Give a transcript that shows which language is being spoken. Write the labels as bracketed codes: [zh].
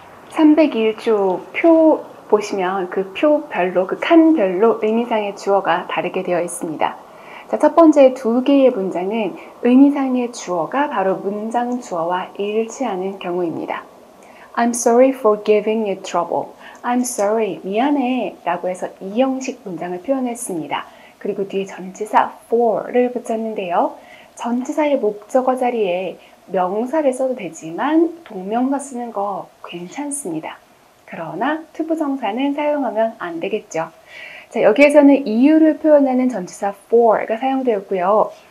[ko] 301쪽 표 보시면 그 표별로, 그 칸별로 의미상의 주어가 다르게 되어 있습니다. 자, 첫 번째 두 개의 문장은 의미상의 주어가 바로 문장 주어와 일치하는 경우입니다. [en] I'm sorry for giving you trouble. I'm sorry. [ko] 미안해. 라고 해서 이형식 문장을 표현했습니다. 그리고 뒤에 전치사 for를 붙였는데요. 전치사의 목적어 자리에 명사를 써도 되지만 동명사 쓰는 거 괜찮습니다. 그러나 투부정사는 사용하면 안 되겠죠. 자, 여기에서는 이유를 표현하는 전치사 for가 사용되었고요.